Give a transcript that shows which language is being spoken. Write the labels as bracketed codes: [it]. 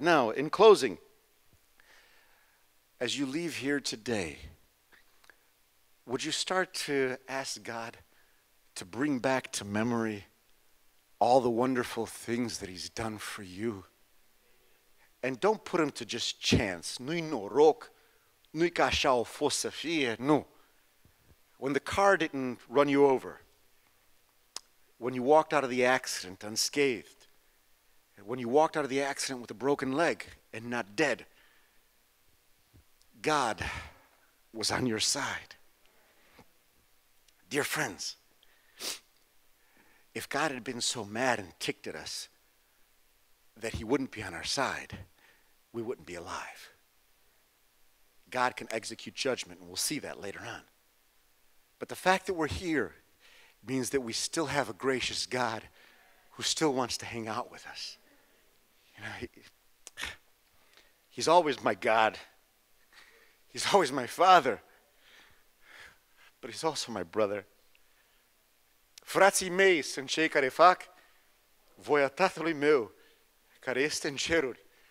[en] Now, in closing, as you leave here today, would you start to ask God to bring back to memory all the wonderful things that He's done for you? And don't put them to just chance. [ro] Nu-i noroc, nu-i ca așa a fost să fie, nu. [en] When the car didn't run you over, when you walked out of the accident unscathed, when you walked out of the accident with a broken leg and not dead, God was on your side. Dear friends, if God had been so mad and ticked at us that He wouldn't be on our side, we wouldn't be alive. God can execute judgment, and we'll see that later on. But the fact that we're here means that we still have a gracious God who still wants to hang out with us. He's always my God. He's always my Father. But He's also my brother. [ro] Frații mei sunt cei care fac voia Tatălui meu, care este în ceruri.